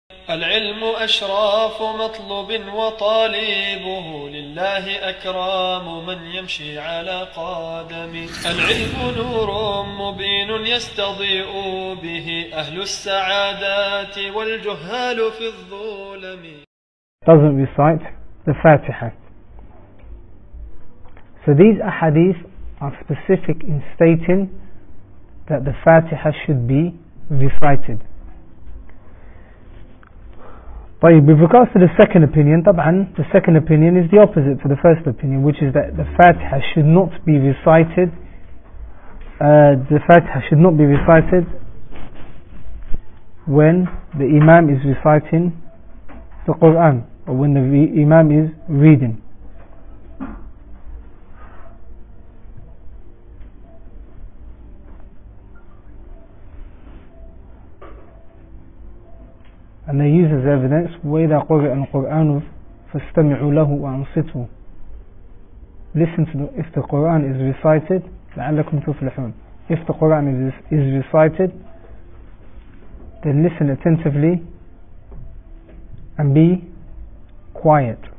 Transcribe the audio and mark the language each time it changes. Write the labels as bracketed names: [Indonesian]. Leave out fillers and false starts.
[Arabic] العلم أشراف مطلب وطالبه لله أكرام من يمشي على قدمي. العلم نور مبين يستضيء به أهل السعادات والجهال في الظلم. [English] Doesn't recite the Fatiha. So these ahadith are specific in stating that the Fatiha should be recited. [Arabic] طيب, [English] with regards to the second opinion, [Arabic] طبعاً, [English] the second opinion is the opposite to the first opinion, which is that the Fatiha should not be recited. The Fatiha should not be recited when the Imam is reciting the Quran, or when the Imam is reading. And they use as evidence, [Arabic] وَإِذَا قُرِئَ الْقُرْآنُ فَاسْتَمِعُوا لَهُ وَأَنصِتُوا. [English] Listen to the, if the Quran is recited, [Arabic] لَعَلَّكُمْ تُفْلِحُونَ. [English] If the Quran is recited, then listen attentively and be quiet.